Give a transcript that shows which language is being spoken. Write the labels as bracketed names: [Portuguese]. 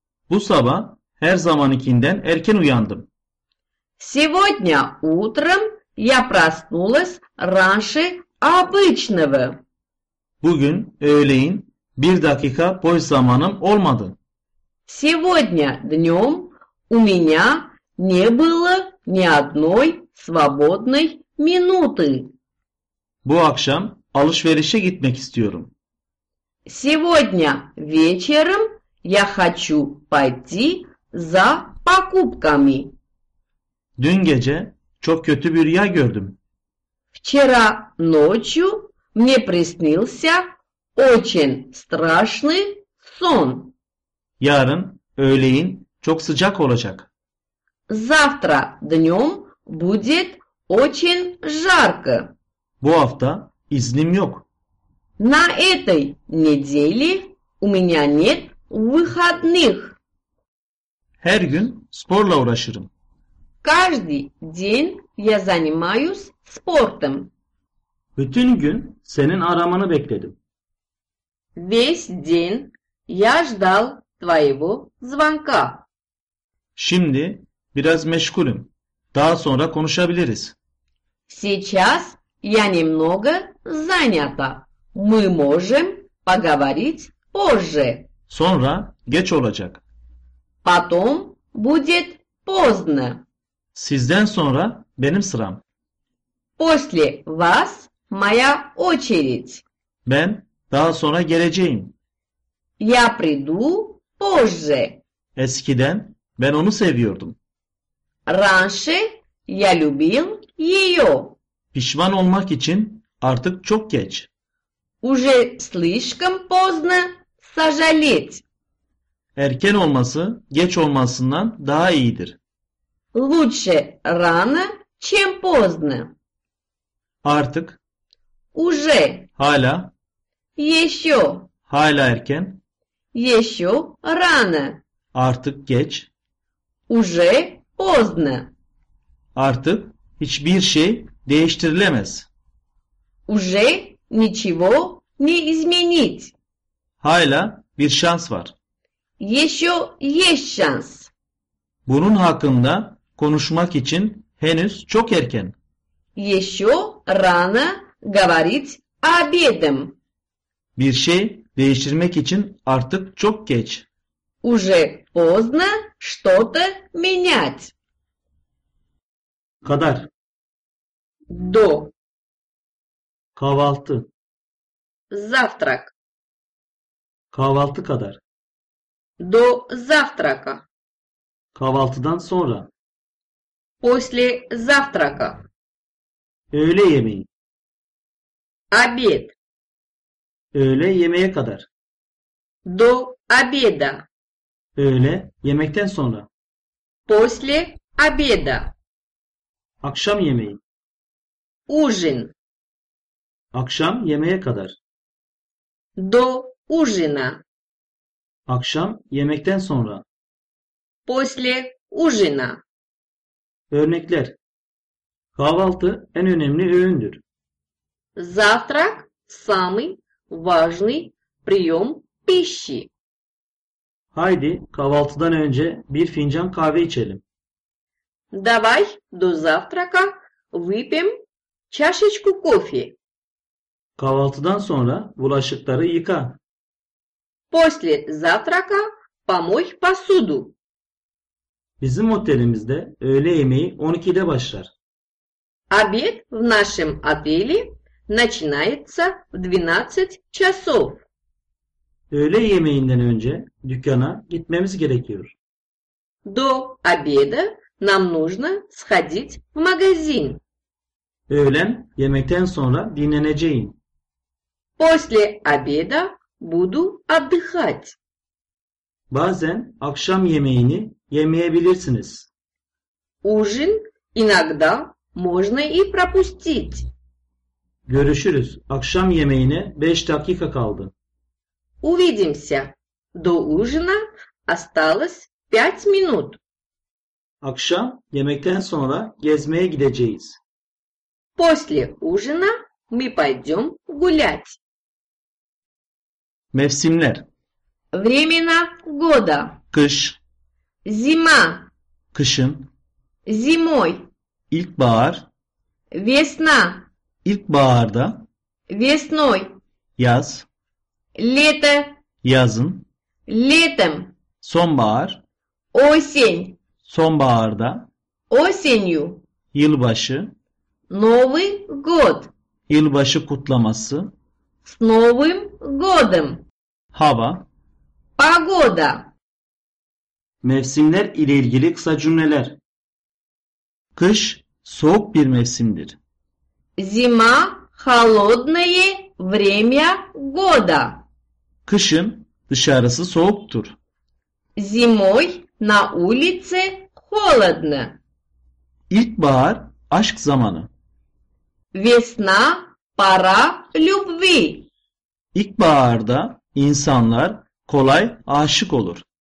[Turkish] Bu sabah her zamankinden erken uyandım. [Russian] Сегодня утром я проснулась раньше обычного. [Turkish] Bugün öğleyin bir dakika boş zamanım olmadı. [Russian] Сегодня днём у меня не было ни одной свободной минуты. [Turkish] Bu akşam alışverişe gitmek istiyorum. [Russian] Сегодня вечером я хочу пойти за покупками. [Turkish] Dün gece çok kötü bir rüya gördüm. [Russian] Вчера ночью мне приснился очень страшный сон. [Turkish] Yarın öğleyin çok sıcak olacak. [Russian] Завтра днём будет очень жарко. [Turkish] Bu hafta iznim yok. [Russian] На этой неделе у меня нет выходных. [Turkish] Her gün sporla uğraşırım. [Russian] Каждый день я занимаюсь спортом. [Turkish] Bütün gün senin aramanı bekledim. [Russian] Весь день я ждал твоего звонка. [Turkish] Şimdi biraz meşgulüm. Daha sonra konuşabiliriz. [Russian] Сейчас я немного занята. Мы можем поговорить позже. [Turkish] Sonra geç olacak. [Russian] Потом будет поздно. [Turkish] Sizden sonra benim sıram. [Russian] После вас моя очередь. [Turkish] Ben daha sonra geleceğim. [Russian] Я приду позже. [Turkish] Eskiden ben onu seviyordum. [Russian] Раньше я любил её. [Turkish] Pişman olmak için artık çok geç. [Russian] Уже слишком поздно сожалеть. [Turkish] Erken olması geç olmasından daha iyidir. [Russian] Лучше рано, чем поздно. [Turkish] Artık. [Russian] Уже. [Turkish] Hala. [Russian] Еще. [Turkish] Hala erken. [Russian] Еще рано. [Turkish] Artık geç. [Russian] Уже поздно. [Turkish] Artık hiçbir şey değiştirilemez. [Russian] Уже ничего не изменить. [Turkish] Hala bir şans var. [Russian] Еще есть шанс. [Turkish] Bunun hakkında konuşmak için henüz çok erken. [Russian] Еще рано говорить об этом. [Turkish] Bir şey değiştirmek için artık çok geç. [Russian] Уже поздно что-то менять. [Turkish] Kadar. [Russian] До. [Turkish] Kahvaltı. [Russian] Завтрак. [Turkish] Kahvaltı kadar. [Russian] До завтрака. [Turkish] Kahvaltıdan sonra. [Russian] После завтрака. [Turkish] Öğle yemeği. [Russian] Обед. [Turkish] Öğle yemeğe kadar. [Russian] До обеда. [Turkish] Öğle, yemekten sonra. [Russian] После обеда. [Turkish] Akşam yemeği. [Russian] Ужин. [Turkish] Akşam yemeğe kadar. [Russian] До ужина. [Turkish] Akşam yemekten sonra. [Russian] После ужина. [Turkish] Örnekler. Kahvaltı en önemli öğündür. [Russian] Завтрак самый важный прием пищи. [Turkish] Haydi kahvaltıdan önce bir fincan kahve içelim. [Russian] Давай до завтрака выпьем чашечку кофе. [Turkish] Kahvaltıdan sonra bulaşıkları yıka. [Russian] После завтрака помой посуду. [Turkish] Bizim otelimizde öğle yemeği 12'de başlar. [Russian] Обед в нашем отеле начинается в 12 часов. [Turkish] Öğle yemeğinden önce dükkana gitmemiz gerekiyor. [Russian] До обеда нам нужно сходить в магазин. [Turkish] Öğlen yemekten sonra dinleneceğim. [Russian] После обеда буду отдыхать. [Turkish] Bazen akşam yemeğini yemeyebilirsiniz. [Russian] Ужин иногда можно и пропустить. [Turkish] Görüşürüz. Akşam yemeğine 5 dakika kaldı. [Russian] Увидимся. До ужина осталось 5 минут. [Turkish] Akşam yemekten sonra gezmeye gideceğiz. [Russian] После ужина мы пойдем гулять. [Turkish] Mevsimler. [Russian] Времена года. [Turkish] Кыш. [Russian] Зима. [Turkish] Кышын. [Russian] Зимой. [Turkish] İlkbahar. [Russian] Весна. [Turkish] İlkbaharda. [Russian] Весной. [Turkish] Yaz. [Russian] Лето. [Turkish] Yazın. [Russian] Летом. [Turkish] Sonbahar. [Russian] Осень. [Turkish] Sonbaharda. [Russian] Осенью. [Turkish] Yılbaşı. [Russian] Новый год. [Turkish] Yılbaşı kutlaması. [Russian] С Новым годом. [Turkish] Hava. [Russian] Погода. [Turkish] Mevsimler ile ilgili kısa cümleler. Kış soğuk bir mevsimdir. [Russian] Зима холодное время года. [Turkish] Kışın dışarısı soğuktur. [Russian] Зимой на улице холодно. [Turkish] İlkbahar aşk zamanı. [Russian] Весна пора любви. [Turkish] İlkbaharda insanlar kolay aşık olur.